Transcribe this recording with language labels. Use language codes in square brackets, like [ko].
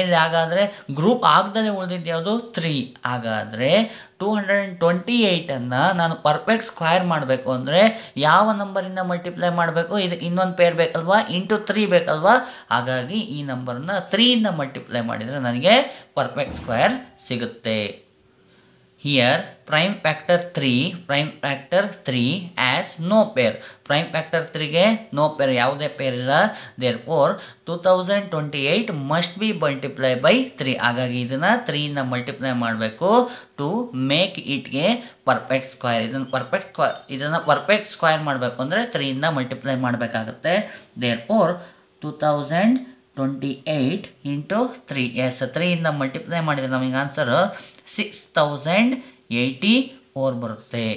[kn] ಇಲ್ಲಿ ಹಾಗಾದರೆ ಗ್ರೂಪ್ ಆಗದಲ್ಲೇ ಉಳಿದಿದ್ದು ಯಾವುದು, 3. ಹಾಗಾದರೆ 228 ನಾನು ಪರ್ಫೆಕ್ಟ್ ಸ್ಕ್ವೇರ್ ಮಾಡಬೇಕು ಅಂದರೆ ಯಾವ ನಂಬರಿಂದ ಮಲ್ಟಿಪ್ಲೈ ಮಾಡಬೇಕು, ಇದು ಇನ್ನೊಂದು ಪೇರ್ ಬೇಕಲ್ವಾ, 3 ಬೇಕಲ್ವಾ. ಹಾಗಾಗಿ ಈ ನಂಬರನ್ನು 3 ಮಲ್ಟಿಪ್ಲೈ ಮಾಡಿದರೆ ನನಗೆ ಪರ್ಫೆಕ್ಟ್ ಸ್ಕ್ವೇರ್ ಸಿಗುತ್ತೆ. [en] Here prime factor 3, prime factor 3 has no pair. Prime factor 3 no pair, [kn] ಯಾವುದೇ ಪೇರ್ ಇಲ್ಲ. [en] Therefore 2028 must be multiplied by 3. [kn] ಹಾಗಾಗಿ ಇದನ್ನು 3 ಮಲ್ಟಿಪ್ಲೈ ಮಾಡಬೇಕು [en] To make ಇಟ್ಗೆ perfect square. [kn] ಇದನ್ನು ಪರ್ಫೆಕ್ಟ್ ಸ್ಕ್ವೇರ್ ಮಾಡಬೇಕು ಅಂದರೆ 3 ಮಲ್ಟಿಪ್ಲೈ ಮಾಡಬೇಕಾಗುತ್ತೆ. [en] therefore [kn] 2028 × 3 ಎಸ್, 3 ಮಲ್ಟಿಪ್ಲೈ ಮಾಡಿದರೆ ನಮಗೆ ಆನ್ಸರ್ 6084 ಬರುತ್ತೆ.